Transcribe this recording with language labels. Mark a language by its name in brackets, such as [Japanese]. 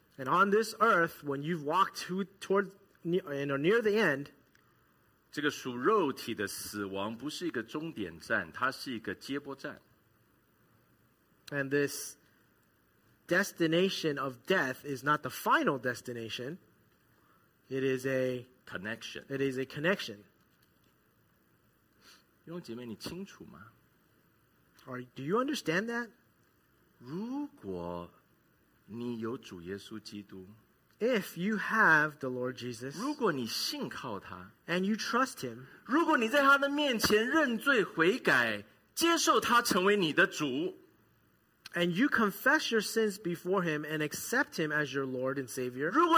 [English] and on this earth, when you've walked toward and are near the end, [Chinese] 这个属肉体的死亡不是一个终点站, 它是一个接驳站。 [English] And this destination of death is not the final destination. It is a connection. It is a connection. [Chinese] 弟兄姐妹，你清楚吗？ [English] Do you understand that? [Chinese] 如果你有主耶稣基督, [English] if you have the Lord Jesus, [Chinese] 如果你信靠他, [English] and you trust him, [Chinese] 如果你在他的面前认罪悔改, 接受他成为你的主, [English] and you confess your sins before him and accept him as your Lord and Savior,